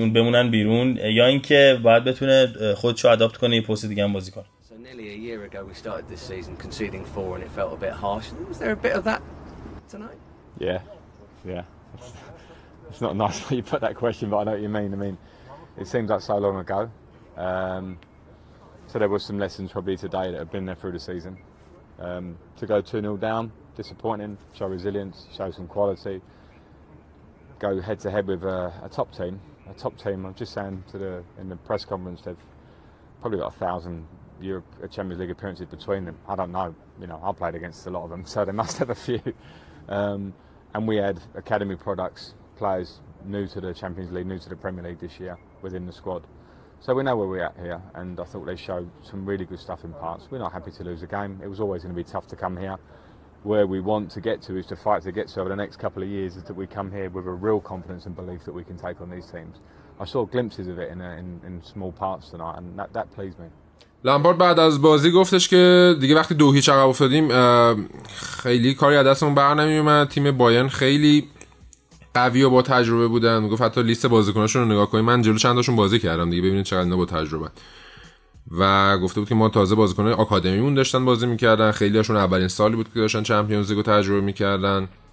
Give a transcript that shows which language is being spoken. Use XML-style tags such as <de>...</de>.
<fa>اون بمونن بیرون، یا اینکه باید بتونه خودشو ادابت کنه یه پست دیگه هم بازی کنه.</fa> <en>So nearly a year ago we started this season conceding four and it felt a bit harsh. Was there a bit of that tonight? Yeah. It's not nice how you put that question, but I know what you mean. I mean, it seems like so long ago. So there was some lessons probably today that have been there through the season. To go 2-0 down, disappointing. Show resilience, show some quality. Go head to head with a top team. I'm just saying to the in the press conference, they've probably got 1,000 Europe Champions League appearances between them. I don't know, you know, I played against a lot of them, so they must have a few. And we had academy products, players new to the Champions League, new to the Premier League this year within the squad. So we know where we're at here, and I thought they showed some really good stuff in parts. We're not happy to lose a game. It was always going to be tough to come here. Where we want to get to is to fight to get to over the next couple of years, is that we come here with a real confidence and belief that we can take on these teams. I saw glimpses of it in small parts tonight, and that pleased me.</en> <fa>لامپارد بعد از بازی گفتش که دیگه وقتی 2-0 عقب افتادیم خیلی کاری از دستمون بر نمیومد. تیم بایرن خیلی قوی و با تجربه بودن. گفت حتی لیست بازیکناشون رو نگاه کنید، من جلو چنداشون بازی کردم دیگه، ببینید چقدر اینا با تجربه. و گفته بود که ما تازه بازیکن آکادمیمون داشتن بازی میکردن، خیلیاشون اولین سالی بود که داشتن چمپیونز لیگو تجربه میکردن.</fa>